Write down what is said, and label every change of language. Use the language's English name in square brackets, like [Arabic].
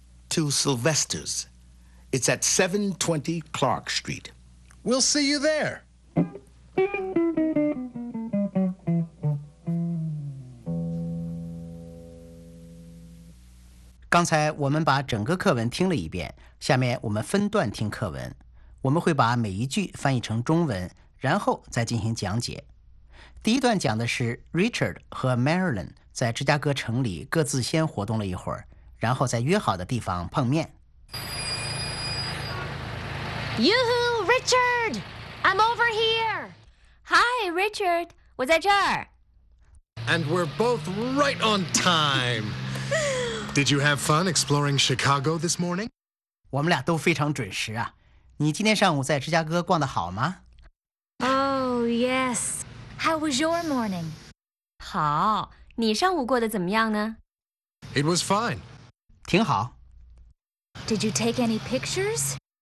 [English] To Sylvester's. It's at 720 Clark Street. We'll see you there. Just now, we've listened to the whole lesson. Next, we'll listen to the lesson in pieces. [Chinese] 我们会把每一句翻译成中文，然后再进行讲解。第一段讲的是 Richard 和 Marilyn 在芝加哥城里各自先活动了一会儿，然后在约好的地方碰面。 [English] Yoo-hoo, Richard! I'm over here! Hi, Richard! 我在这儿。 And we're both right on time! Did you have fun exploring Chicago this morning? [Chinese] 我们俩都非常准时啊。你今天上午在芝加哥逛得好吗？ [English] Yes. How was your morning? [Chinese] 好，你上午过得怎么样呢？ [English] It was fine. [Chinese] 挺好。 [English] Did you take any pictures?